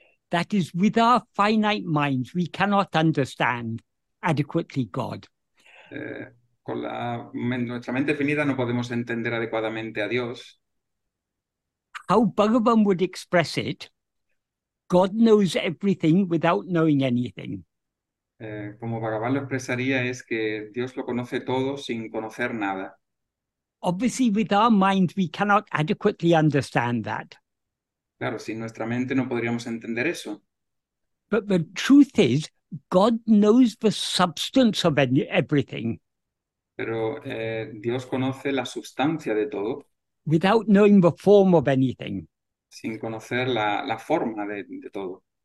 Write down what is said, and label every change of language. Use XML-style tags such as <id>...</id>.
<en>That is, with our finite minds, we cannot understand adequately God.</en> <es>Con la nuestra mente finita no podemos entender adecuadamente a Dios.</es> <en>How Bhagavan would express it, God knows everything without knowing anything.</en> <es>Como Bhagavan lo expresaría es que Dios lo conoce todo sin conocer nada.</es> <en>Obviously, with our minds, we cannot adequately understand that.</en> <es>Claro, sin nuestra mente no podríamos entender eso.</es> <en>But the truth is, God knows the substance of everything.</en> <es>Pero Dios conoce la sustancia de todo.</es> <en>Without knowing the form of anything.</en> <es>Sin conocer la forma de todo.</es>